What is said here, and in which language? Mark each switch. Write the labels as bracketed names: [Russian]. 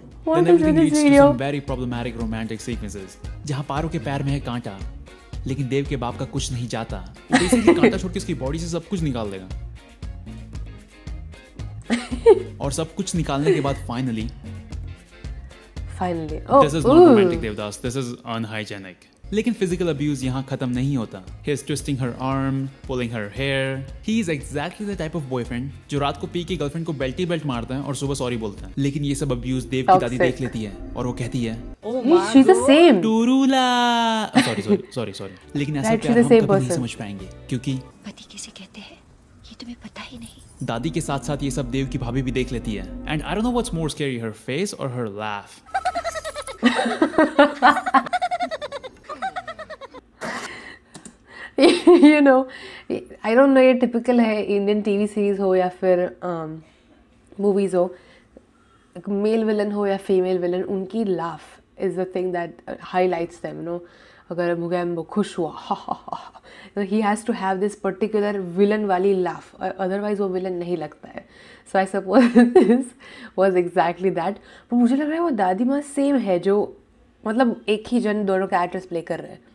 [English] Then everything leads to some very problematic romantic sequences. [Hindi] जहां पारो के पैर में है कांटा, लेकिन देव के बाप का कुछ नहीं जाता. बेसिकली कांटा छोड़ के उसकी बॉडी से सब कुछ निकाल देगा. और सब कुछ निकालने के बाद [English] finally, this is not romantic, Devdas. This is unhygienic. [Hindi] लेकिन physical abuse यहाँ खत्म नहीं होता. [English] He is twisting her arm, pulling her hair. He is exactly the type of boyfriend [Hindi] जो रात को पी के girlfriend को belt ही belt मारता है और सुबह sorry बोलता है. लेकिन ये सब abuse देव की दादी देख लेती है और वो कहती है, [English] she's the same. Turula. Sorry. [Hindi] लेकिन ऐसे प्यार हम कभी नहीं समझ पाएंगे क्योंकि पति किसे कहते हैं? ये तुम्हें पता ही नहीं. दादी के साथ साथ ये सब देव की भाभी भी देख लेती है. [English] And I don't know what's more scary, her face or her laugh. You know, I don't know, ये typical है Indian TV series हो या फिर movies हो, male villain हो या female villain, उनकी laugh is the thing that highlights them, you know. [Hindi] अगर मुगैम्बो खुश हुआ, [English] हा हा, he has to have this particular villain वाली लाफ, अदरवाइज [Hindi] वो विलन नहीं लगता है. [English] So I suppose this was exactly that. [Hindi] पर मुझे लग रहा है वो दादी माँ सेम है जो, मतलब एक ही जन दोनों का एड्रेस प्ले कर रहे हैं.